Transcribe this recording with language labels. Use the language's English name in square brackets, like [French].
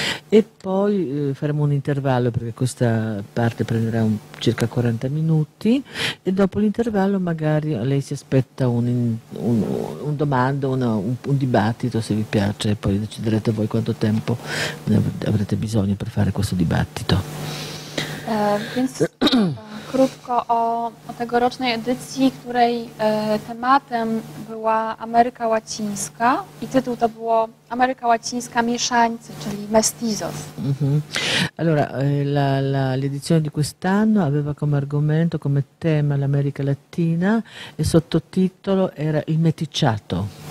[Italian] e poi faremo un intervallo, perché questa parte prenderà circa 40 minuti, e dopo l'intervallo magari lei si aspetta un domanda, un dibattito, se vi piace, poi deciderete voi quanto tempo avrete bisogno per fare questo dibattito. [Polish] Więc krótko o tegorocznej edycji, której tematem była Ameryka Łacińska i tytuł to było Ameryka Łacińska Mieszańcy, czyli Mestizos. [Italian] Allora, l'edizione di quest'anno aveva come argomento, come tema l'America Latina e sottotitolo era il meticciato.